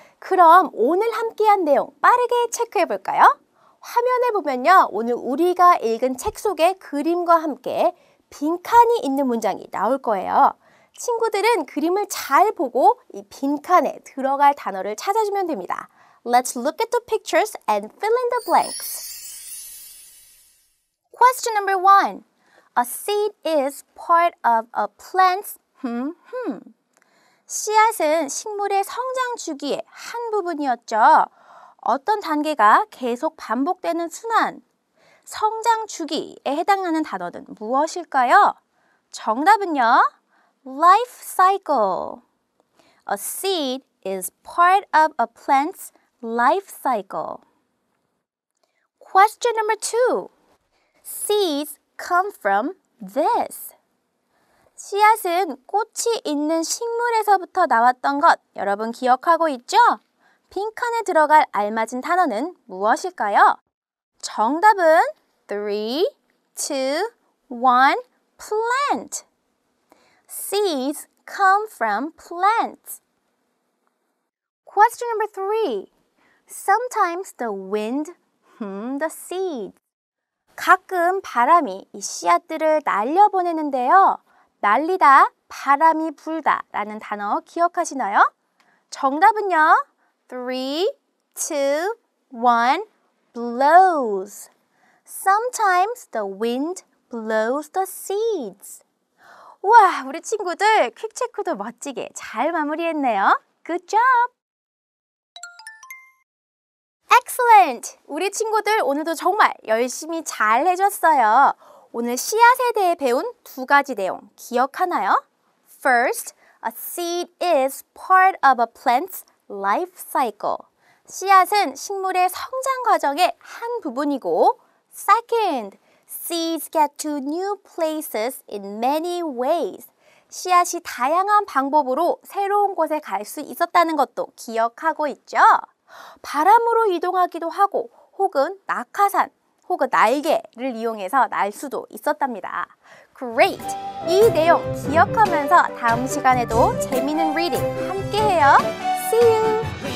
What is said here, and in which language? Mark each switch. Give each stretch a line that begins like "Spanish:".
Korean: 그럼 오늘 함께한 내용 빠르게 체크해 볼까요? 화면에 보면요, 오늘 우리가 읽은 책 속에 그림과 함께 빈칸이 있는 문장이 나올 거예요. 친구들은 그림을 잘 보고 이 빈칸에 들어갈 단어를 찾아주면 됩니다.
English: Let's look at the pictures and fill in the blanks. Question number one. A seed is part of a plant's
Korean: 씨앗은 식물의 성장 주기의 한 부분이었죠. 어떤 단계가 계속 반복되는 순환, 성장 주기에 해당하는 단어는 무엇일까요? 정답은요, life cycle.
English: A seed is part of a plant's life cycle. Question number two. Seeds come from this.
Korean: 씨앗은 꽃이 있는 식물에서부터 나왔던 것, 여러분 기억하고 있죠? 빈칸에 들어갈 알맞은 단어는 무엇일까요? 정답은 3, 2, 1, plant.
English: Seeds come from plants. Question number 3. Sometimes the wind, the seeds.
Korean: 가끔 바람이 이 씨앗들을 날려보내는데요. 날리다, 바람이 불다 라는 단어 기억하시나요? 정답은요, 3, 2, 1, blows.
English: Sometimes the wind blows the seeds.
Korean: 우와, 우리 친구들 퀵체크도 멋지게 잘 마무리했네요.
English: Good job! Excellent!
Korean: 우리 친구들 오늘도 정말 열심히 잘 해줬어요. 오늘 씨앗에 대해 배운 두 가지 내용 기억하나요?
English: First, a seed is part of a plant's life cycle.
Korean: 씨앗은 식물의 성장 과정의 한 부분이고
English: Second, seeds get to new places in many ways.
Korean: 씨앗이 다양한 방법으로 새로운 곳에 갈 수 있었다는 것도 기억하고 있죠? 바람으로 이동하기도 하고 혹은 낙하산 혹은 날개를 이용해서 날 수도 있었답니다.
English: Great!
Korean: 이 내용 기억하면서 다음 시간에도 재미있는 리딩 함께해요.
English: See you!